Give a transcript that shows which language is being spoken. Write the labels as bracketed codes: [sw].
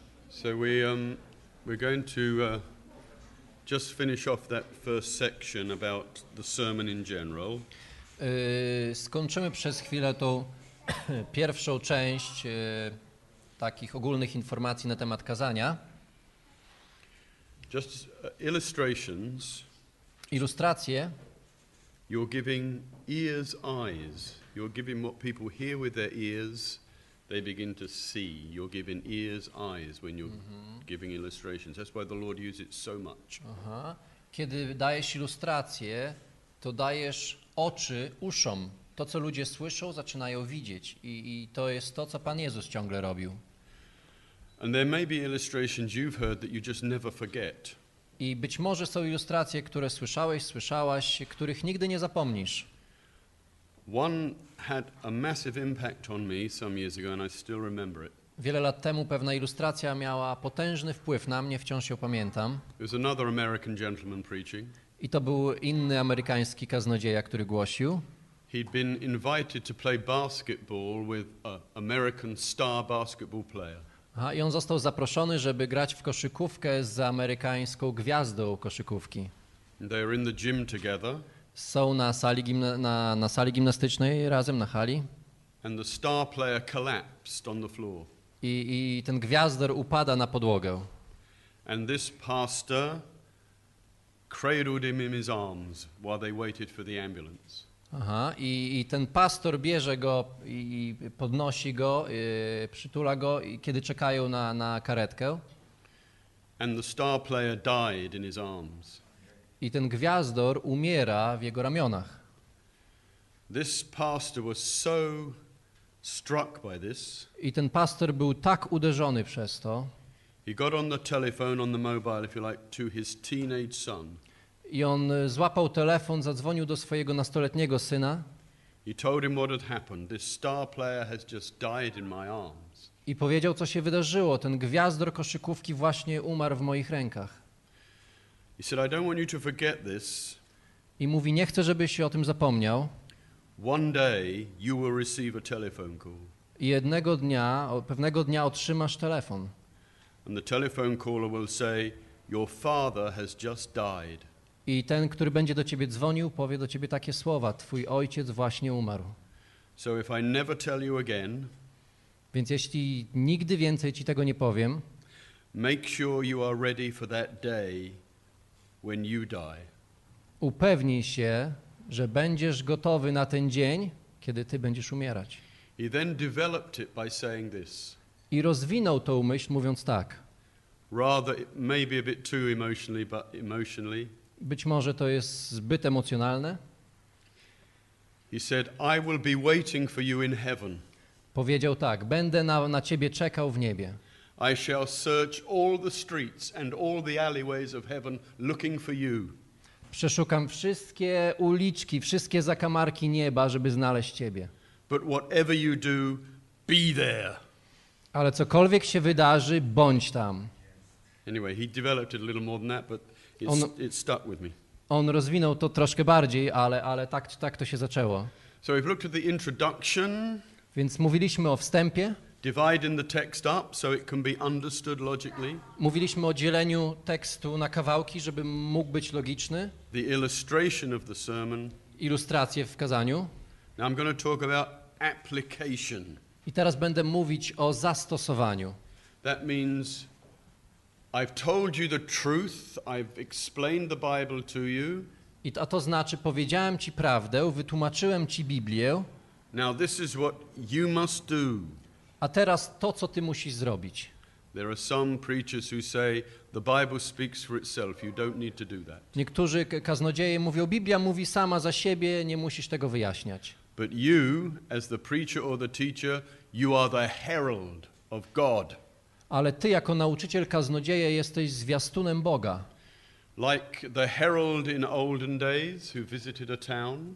[en] So we're going to just finish off that first section about the sermon in general. [pl] Skończymy przez chwilę tą pierwszą część takich ogólnych informacji na temat kazania. [en] Just illustrations. [pl] Ilustracje. [en] You're giving ears eyes. You're giving what people hear with their ears. They begin to see. You're giving ears, eyes when you're giving illustrations. That's why the Lord uses it so much. Aha. [pl] Kiedy dajesz ilustrację, to dajesz oczy uszom. To, co ludzie słyszą, zaczynają widzieć. I to jest to, co Pan Jezus ciągle robił. [en] And there may be illustrations you've heard that you just never forget. [pl] I być może są ilustracje, które słyszałaś, których nigdy nie zapomnisz. [en] One had a massive impact on me some years ago, and I still remember it. [pl] Wiele lat temu pewna ilustracja miała potężny wpływ na mnie, wciąż ją pamiętam. [en] It was another American gentleman preaching. [pl] I to był inny amerykański kaznodzieja, który głosił. [en] He'd been invited to play basketball with an American star basketball player. [pl] Aha, i on został zaproszony, żeby grać w koszykówkę z amerykańską gwiazdą koszykówki. [en] They were in the gym together. [pl] Są na sali gimnastycznej razem na hali. [en] And the star player collapsed on the floor. [pl] I ten gwiazdor upada na podłogę. [en] And this pastor cradled him in his arms while they waited for the ambulance. [pl] Aha, i ten pastor bierze go i podnosi go, przytula go, kiedy czekają na karetkę. [en] And the star player died in his arms. [pl] I ten gwiazdor umiera w jego ramionach. [en] This pastor was so struck by this. [pl] I ten pastor był tak uderzony przez to. [en] He got on the telephone, on the mobile, if you like, to his teenage son. [pl] I on złapał telefon, zadzwonił do swojego nastoletniego syna. [en] He told him what had happened. This star player has just died in my arms. [pl] I powiedział, co się wydarzyło. Ten gwiazdor koszykówki właśnie umarł w moich rękach. [en] He said, "I don't want you to forget this." [pl] I mówi, nie chcę, żebyś się o tym zapomniał. [en] One day you will receive a telephone call. [pl] I jednego dnia, pewnego dnia otrzymasz telefon. [en] And the telephone caller will say, "Your father has just died." [pl] I ten, który będzie do ciebie dzwonił, powie do ciebie takie słowa: "Twój ojciec właśnie umarł." [en] So if I never tell you again, [pl] więc jeśli nigdy więcej ci tego nie powiem, [en] make sure you are ready for that day. When you die. [pl] Upewnij się, że będziesz gotowy na ten dzień, kiedy ty będziesz umierać. [en] He then developed it by saying this. [pl] I rozwinął tą myśl, mówiąc tak. [en] Rather, maybe a bit too emotionally, but emotionally. [pl] Być może to jest zbyt emocjonalne. [en] He said, "I will be waiting for you in heaven." [pl] Powiedział tak, będę na ciebie czekał w niebie. [en] I shall search all the streets and all the alleyways of heaven looking for you. [pl] Przeszukam wszystkie uliczki, wszystkie zakamarki nieba, żeby znaleźć ciebie. [en] But whatever you do, be there. [pl] Ale cokolwiek się wydarzy, bądź tam. [en] Anyway, he developed it a little more than that, but it stuck with me. [pl] On rozwinął to troszkę bardziej, ale tak to się zaczęło. [en] So we've looked at the introduction. [pl] Więc mówiliśmy o wstępie. [en] Dividing the text up so it can be understood logically. [pl] Mówiliśmy o dzieleniu tekstu na kawałki, żeby mógł być logiczny. [en] The illustration of the sermon. [pl] Ilustracje w kazaniu. [en] Now I'm going to talk about application. [pl] I teraz będę mówić o zastosowaniu. [en] That means I've told you the truth, I've explained the Bible to you. [pl] I to znaczy powiedziałem ci prawdę, wytłumaczyłem ci Biblię. [en] Now this is what you must do. [pl] A teraz to, co ty musisz zrobić. [en] There are some preachers who say the Bible speaks for itself. You don't need to do that. [pl] Niektórzy kaznodzieje mówią, Biblia mówi sama za siebie, nie musisz tego wyjaśniać. [en] But you, as the preacher or the teacher, you are the herald of God. [pl] Ale ty jako nauczyciel kaznodzieje jesteś zwiastunem Boga. [en] Like the herald in olden days who visited a town.